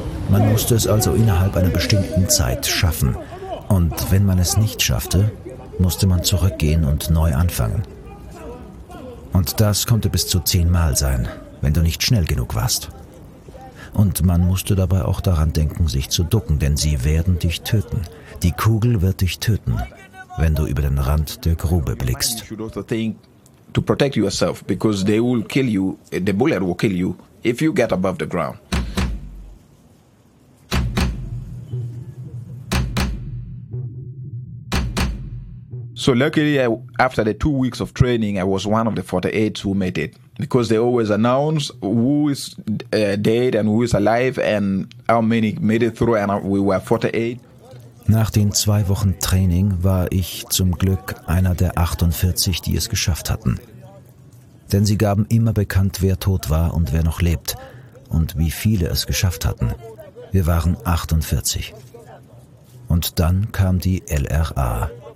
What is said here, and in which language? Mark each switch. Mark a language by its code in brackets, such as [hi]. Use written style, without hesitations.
[de] Man musste es also innerhalb einer bestimmten Zeit schaffen. Und wenn man es nicht schaffte, musste man zurückgehen und neu anfangen. Und das konnte bis zu 10 Mal sein, wenn du nicht schnell genug warst. Und man musste dabei auch daran denken, sich zu ducken, denn sie werden dich töten. Die Kugel wird dich töten, wenn du über den Rand der Grube blickst. [en] To protect yourself, because they will kill you, the bullet will kill you, if you get above the ground. So luckily, after the 2 weeks of training, I was one of the 48 who made it. Because they always announce who is dead and who is alive and how many made it through, and we were 48. [de] Nach den 2 Wochen Training war ich zum Glück einer der 48, die es geschafft hatten. Denn sie gaben immer bekannt, wer tot war und wer noch lebt und wie viele es geschafft hatten. Wir waren 48. Und dann kam die LRA.